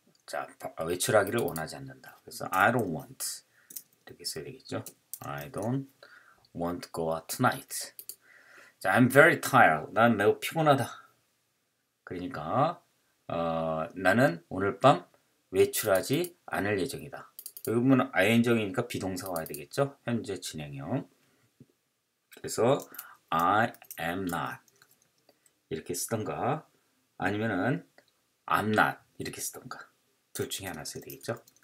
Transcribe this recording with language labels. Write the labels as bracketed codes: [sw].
[ko] 자, 외출하기를 원하지 않는다. 그래서 [en] I don't want [ko] 이렇게 써야 되겠죠. [en] I don't want to go out tonight. [ko] 자, [en] I'm very tired. [ko] 난 매우 피곤하다. 그러니까 나는 오늘 밤 외출하지 않을 예정이다. 여기 보면 ing이니까 비동사가 와야 되겠죠. 현재 진행형. 그래서 [en] I am not [ko] 이렇게 쓰던가 아니면은 [en] I'm not [ko] 이렇게 쓰던가 둘 중에 하나 써야 되겠죠.